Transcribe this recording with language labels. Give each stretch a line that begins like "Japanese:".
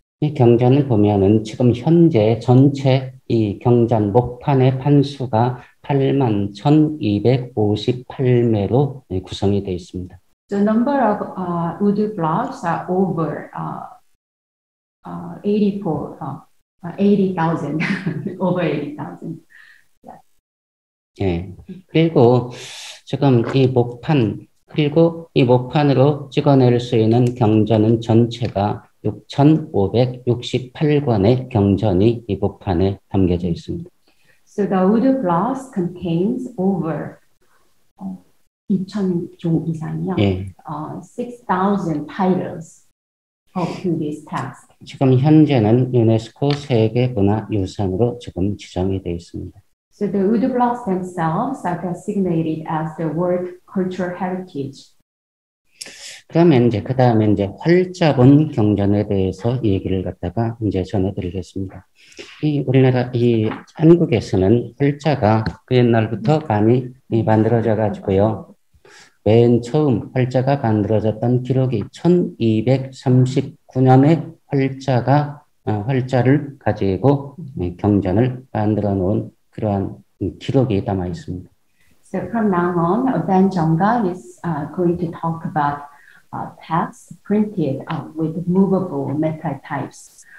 Korean: 이 경전을 보면은 지금 현재 전체 이 경전 목판의 판수가 81,258매로 구성이 되어 있습니다.
English: The number of wood blocks are over 80,000. Over 80,000. Yeah.
Korean: 예. 그리고 지금 이 목판 그리고 이 목판으로 찍어낼 수 있는 경전은 전체가 6,568권의 경전이 이 목판에 담겨져 있습니다.
English: So the wood glass contains over 2,000
Korean: 종 이상이요. 예.
English: 6,000 titles of Buddhist texts.
Korean: 지금 현재는 유네스코 세계 문화 유산으로 지금 지정이 되어 있습니다.
English: So the wood blocks themselves are designated as the world cultural heritage.
Korean: 그러면 이제 그다음에 이제 활자본 경전에 대해서 얘기를 갖다가 이제 전해 드리겠습니다. 이 우리나라 이 한국에서는 활자가 그 옛날부터 많이 만들어져 가지고요. 맨 처음 활자가 만들어졌던 기록이 1239년에 활자가 활자를 가지고 경전을 만들어 놓은 그러한 기록이 담아 있습니다.
English: So from now on, Ben Jeonga is going to talk about texts printed with movable metal types.